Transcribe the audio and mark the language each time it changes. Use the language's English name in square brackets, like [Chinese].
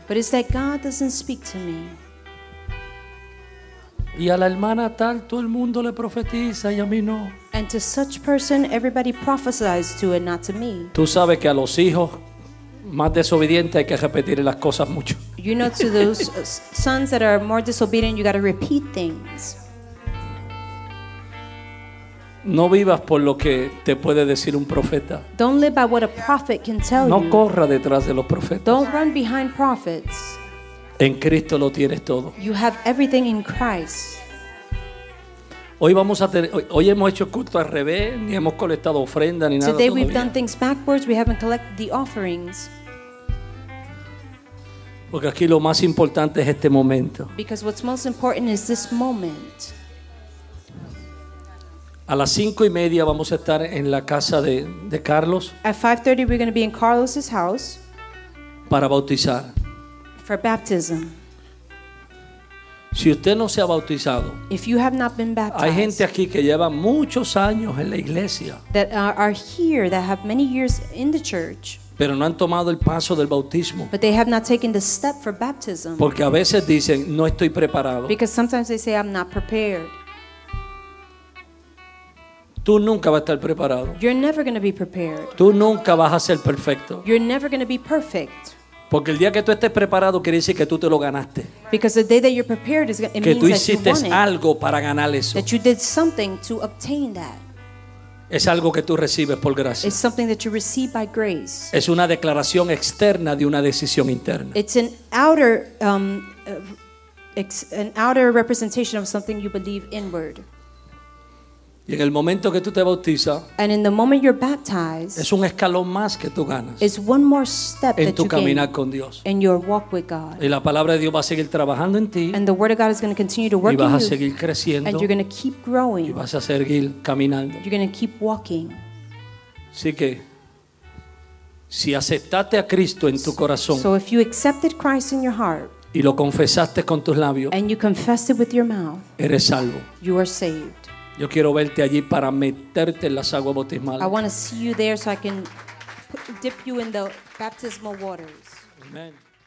[English] But it's that God doesn't speak to me. [Spanish] Y a la hermana tal todo el mundo le profetiza y a mí no. [English] And to such person everybody prophesies to and not to me. [Spanish] Tú sabes que a los hijos más desobedientes hay que repetir las cosas mucho. [English] You know, to those sons that are more disobedient, you got to repeat things. [Spanish] No vivas por lo que te puede decir un profeta. [English] Don't live by what a prophet can tell you. [Spanish] No corra detrás de los profetas. [English] Don't run behind prophets. [Spanish] En Cristo lo tienes todo. [English] You have everything in Christ. [Spanish] Hoy vamos a tener, hoy hemos hecho culto al revés, ni hemos colectado ofrenda ni nada. [English] Today we've [Spanish] todavía. [English] Done things backwards. We haven't collected the offerings. [Spanish] Porque aquí lo más importante es este momento. [English] Because what's most important is this moment. [Spanish] A las 5:30 vamos a estar en la casa de Carlos. [English] At 5:30 we're going to be in Carlos's house. [Spanish] Para bautizar. [English] For baptism. [Spanish] Si usted no se ha bautizado. [English] If you have not been baptized. [Spanish] Hay gente aquí que lleva muchos años en la iglesia. [English] That are here, that have many years in the church. [Spanish] Pero no han tomado el paso del bautismo. [English] But they have not taken the step for baptism. [Spanish] Porque a veces dicen, no estoy preparado. [English] Because sometimes they say, I'm not prepared. [Spanish] Tú nunca vas a estar preparado. [English] You're never going to be prepared. [Spanish] Tú nunca vas a ser perfecto. [English] You're never going to be perfect. [Spanish] Porque el día que tú estés preparado quiere decir que tú te lo ganaste. [English] Because the day that you're prepared is, it [Spanish] que [English] means [Spanish] tú hiciste [English] that you won [Spanish] algo [English] it. [Spanish] Para ganar eso. [English] That you did something to obtain that. [Spanish] Es algo que tú recibes por gracia. [English] It's something that you receive by grace. [Spanish] Es una declaración externa de una decisión interna. [English] It's an outer representation of something you believe inward. [Spanish] Y en el momento que tú te bautizas, [English] and in the moment you're baptized, [Spanish] es un escalón más que tú ganas. [English] It's one more step [Spanish] en [English] that [Spanish] tu [English] you [Spanish] caminar con Dios. [English] In your walk with God. [Spanish] Y la palabra de Dios va a seguir trabajando en ti. [English] And the word of God is going to continue to work in you. [Spanish] Y vas a seguir creciendo. [English] And you're going to keep growing. [Spanish] Y vas a seguir caminando. [English] You're going to keep walking. [Spanish] Así que si aceptaste a Cristo en tu corazón, [English] so if you accepted Christ in your heart, [Spanish] y lo confesaste con tus labios, [English] and you confessed it with your mouth, [Spanish] eres salvo. [English] You are saved. [Spanish] Yo quiero verte allí para meterte en las aguas bautismales. [English] I want to see you there so I can dip you in the baptismal waters. Amen.